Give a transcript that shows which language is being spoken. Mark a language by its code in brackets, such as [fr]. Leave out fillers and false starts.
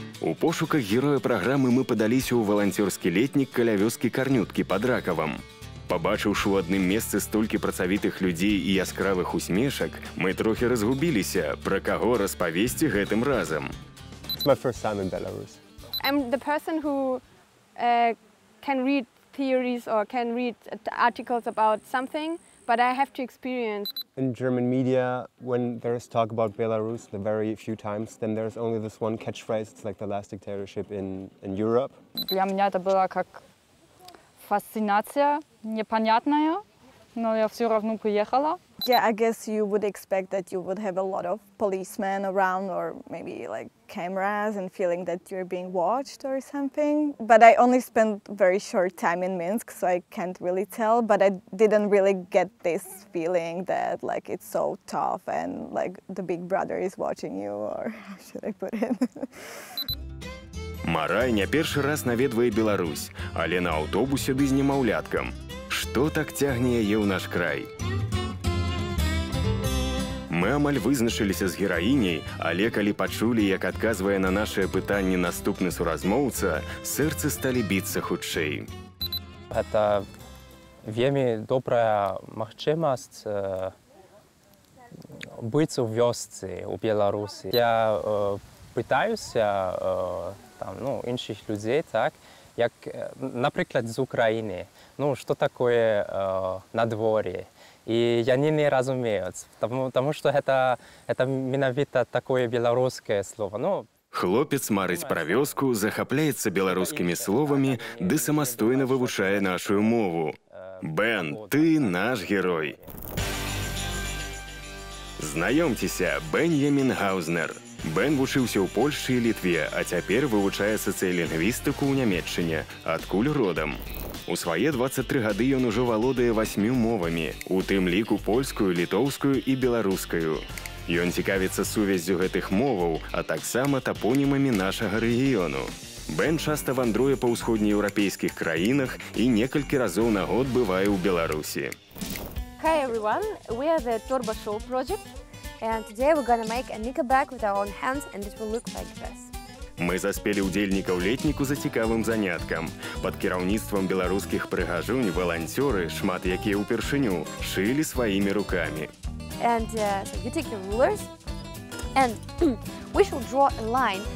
[be] У пошуках героя праграмы мы падаліся ў валанцёрскі летнік каля вёскі Карнюткі пад Ракавам. Пабачыўшы ў адным месцы столькі працавітых людзей і яскравых усмешак, мы трохі разгубіліся, пра каго распавесці гэтым разам. [en] It's my first time in Belarus. I'm the person who can read theories or can read articles about something, but I have to experience. In German media, when there is talk about Belarus, the very few times, then there's only this one catchphrase, it's like the last dictatorship in Europe. [ru] Для меня это была как фасцинация непонятная, но я все равно приехала. [en] Yeah, I guess you would expect that you would have a lot of policemen around or maybe like cameras and feeling that you're being watched or something. But I only spent very short time in Minsk, so I can't really tell. But I didn't really get this feeling that like it's so tough and like the big brother is watching you, or how should I put it? [be] Марай не першы раз наведвае Беларусь, але на аўтобусе ды з немаўляткам. Што так цягне яе ў наш край? Мы амаль вызначыліся з гераіняй, але калі пачулі, як адказвае на нашае пытанне наступны суразмоўца, сэрцы сталі біцца хутчэй. Гэта вельмі добрая магчымасць быць у вёсцы, у Беларусі. Я пытаюся там, ну, іншых людзей, так, як, напрыклад, з Украіны, ну, што такое надвор'е. І яны не разумеюць, таму што гэта менавіта такое беларускае слова. Ну, хлопец марыць пра вёску, захапляецца беларускімі словамі ды самастойна вывучае нашую мову. Бен, ты наш герой. Знаёмцеся, Беньямін Гаузнер. Бен вучыўся ў Польшчы і Літве, а цяпер вывучае сацыялінгвістыку ў Нямеччыне. Адкуль родам? У свае 23 гады ён ужо валодае 8 мовамі, у тым ліку польскую, літоўскую і беларускую. Ён цікавіцца сувяззю гэтых моваў, а таксама тапонімамі нашага рэгіёну. Бен часта вандруе па ўсходнееўрапейскіх краінах і некалькі разоў на год бывае ў Беларусі. [en] Hi everyone, we are the Torba Show project, and today we're gonna make a knicker bag with our own hands, and it will look like this. [be] Мы заспелі ўдзельнікаў летніку за цікавым заняткам. Пад кіраўніцтвам беларускіх прыгажунь валанцёры, шмат якія ўпершыню, шылі сваімі рукамі. [en] And you take your rulers, and we shall draw a line.